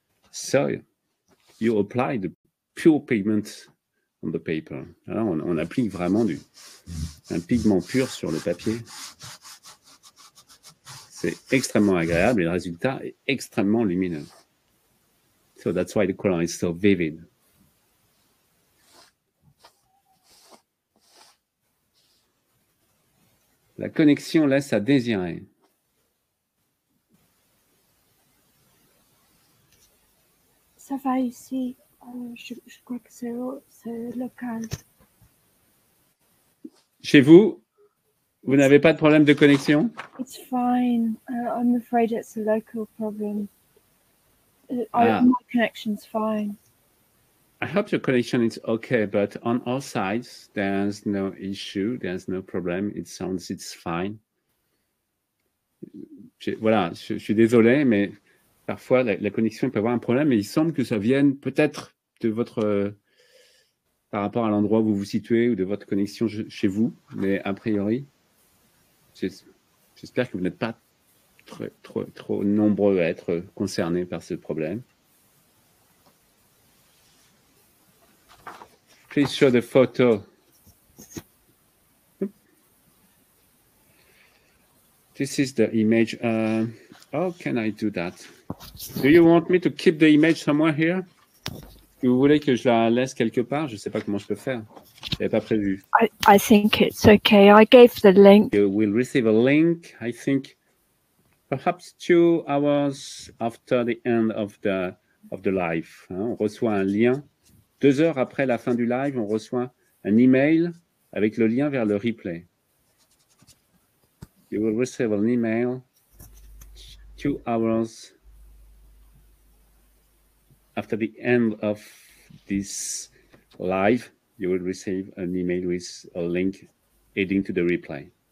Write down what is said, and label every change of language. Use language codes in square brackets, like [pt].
[en] So you apply the pure pigment on the paper. [fr] Alors on applique vraiment un pigment pur sur le papier. C'est extrêmement agréable et le résultat est extrêmement lumineux. [en] So that's why the color is so vivid. [fr] La connexion laisse à désirer. Ça va ici. Je crois que c'est local. Chez vous, vous n'avez pas de problème de connexion? [en] It's fine. I'm afraid it's a local problem. My connection's fine. I hope your connection is okay, but on all sides, there's no issue, there's no problem. It sounds it's fine. [fr] Je suis désolé, mais parfois la connexion peut avoir un problème, mais il semble que ça vienne peut-être de votre, par rapport à l'endroit où vous vous situez ou de votre connexion chez vous, mais a priori, j'espère que vous n'êtes pas trop nombreux à être concernés par ce problème. [en] Please show the photo. This is the image. How can I do that? Do you want me to keep the image somewhere here? [fr] Vous voulez que je la laisse quelque part? Je ne sais pas comment je peux faire. Je n'avais pas prévu. [en] I think it's okay. I gave the link. You will receive a link, I think, perhaps 2 hours after the end of the live. [fr] On reçoit un lien. 2 heures après la fin du live, on reçoit un email avec le lien vers le replay. [en] You will receive an email 2 hours after the end of this live. You will receive an email with a link heading to the replay.